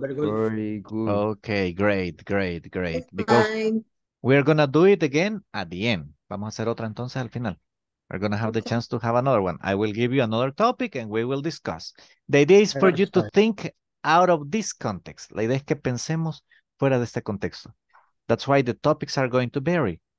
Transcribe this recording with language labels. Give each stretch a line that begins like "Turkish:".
English: Very good. Okay. Great. Because we're going to do it again at the end.
Spanish: Vamos a hacer otra entonces al final.
English: We're going to have the chance to have another one. I will give you another topic and we will discuss. The idea is for you to think out of this context.
Spanish: La idea es que pensemos fuera de este contexto.
English: That's why the topics are going to vary.